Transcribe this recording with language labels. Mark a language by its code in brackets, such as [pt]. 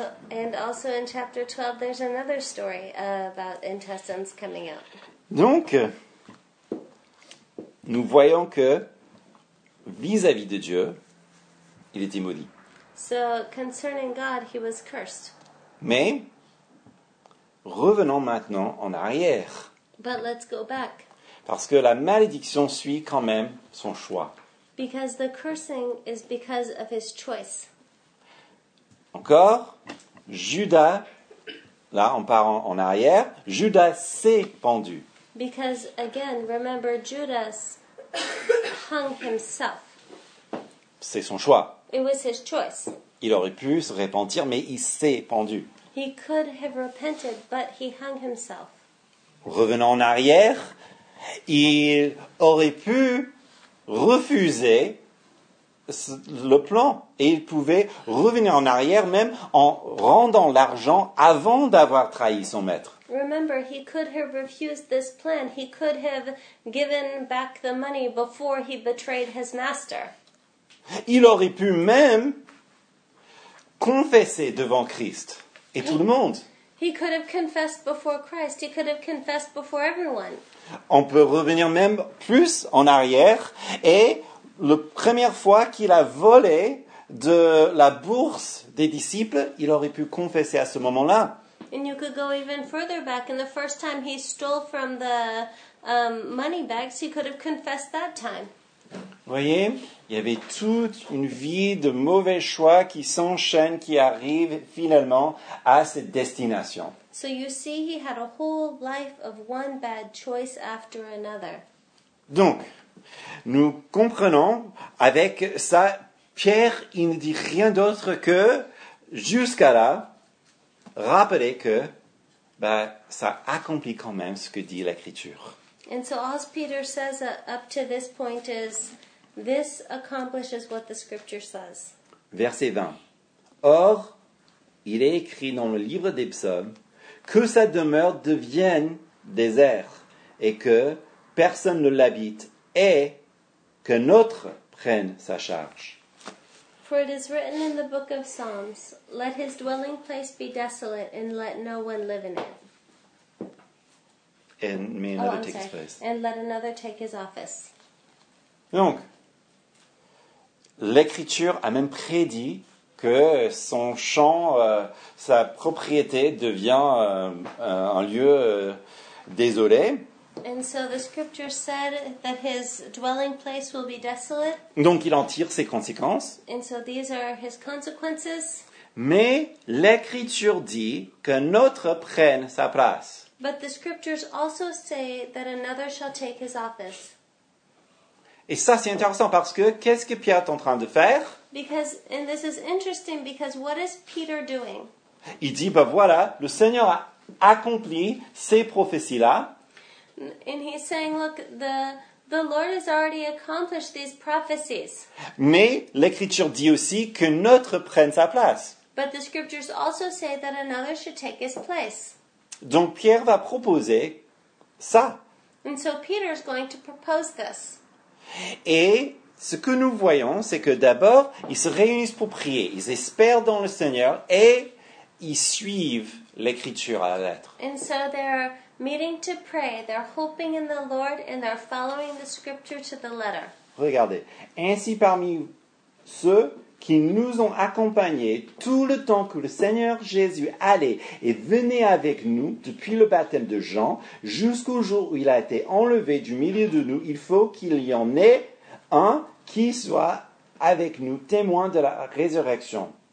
[en] And also in chapter 12, there's another story about intestines coming out. [fr] Donc, nous voyons que vis-à-vis de Dieu, il était maudit. [en] So, concerning God, he was cursed. [fr] Mais, revenons maintenant en arrière. [en] But let's go back. [fr] Parce que la malédiction suit quand même son choix. [en] Because the cursing is because of his choice. [fr] Encore, Judas, là on part en arrière, Judas s'est pendu. [en] Because again, remember, Judas hung himself. [fr] C'est son choix. [en] It was his choice. [fr] Il aurait pu se repentir, mais il s'est pendu. [en] He could have repented, but he hung himself. [fr] Revenant en arrière, il aurait pu refuser le plan. Et il pouvait revenir en arrière même en rendant l'argent avant d'avoir trahi son maître. [en] Remember, he could have refused this plan. He could have given back the money before he betrayed his master. [fr] Il aurait pu même confesser devant Christ et tout le monde. [en] He could have confessed before Christ. He could have confessed before everyone. [fr] On peut revenir même plus en arrière et la première fois qu'il a volé de la bourse des disciples, il aurait pu confesser à ce moment-là. [en] And you could go even further back. And the first time he stole from the money bags, he could have confessed that time. [fr] Vous voyez, il y avait toute une vie de mauvais choix qui s'enchaînent, qui arrivent finalement à cette destination. [en] So you see, he had a whole life of one bad choice after another. [fr] Donc, nous comprenons avec ça, Pierre, il ne dit rien d'autre que jusqu'à là, rappeler que ça accomplit quand même ce que dit l'Écriture. [en] And so all Peter says up to this point is this accomplishes what the Scripture says. [fr] Verset 20. Or, il est écrit dans le livre des Psaumes que sa demeure devienne désert et que personne ne l'habite et qu'un autre prenne sa charge. [en] For it is written in the book of Psalms, let his dwelling place be desolate and let no one live in it. And may another take his place. And let another take his office. [fr] Donc, l'Écriture a même prédit que son champ, sa propriété devient un lieu désolé. [en] And so the scripture said that his dwelling place will be desolate. [fr] Donc il en tire ses conséquences. [en] And so these are his consequences. [fr] Mais l'écriture dit qu'un autre prenne sa place. [en] But the scriptures also say that another shall take his office. [fr] Et ça c'est intéressant parce que qu'est-ce que Pierre est en train de faire? [en] Because, and this is interesting because what is Peter doing? [fr] Il dit, ben voilà, le Seigneur a accompli ces prophéties-là. [en] And he's saying, look, the Lord has already accomplished these prophecies. [fr] Mais l'Écriture dit aussi que notre prenne sa place. [en] But the scriptures also say that another should take his place. [fr] Donc Pierre va proposer ça. [en] And so Peter is going to propose this. [fr] Et ce que nous voyons, c'est que d'abord, ils se réunissent pour prier. Ils espèrent dans le Seigneur et ils suivent l'Écriture à la lettre. [en] And so they're meeting to pray. They're hoping in the Lord and they're following the scripture to the letter. [fr] Regardez. Ainsi parmi ceux qui nous ont accompagnés tout le temps que le Seigneur Jésus allait et venait avec nous depuis le baptême de Jean jusqu'au jour où il a été enlevé du milieu de nous, il faut qu'il y en ait un qui soit avec nous témoin de la résurrection.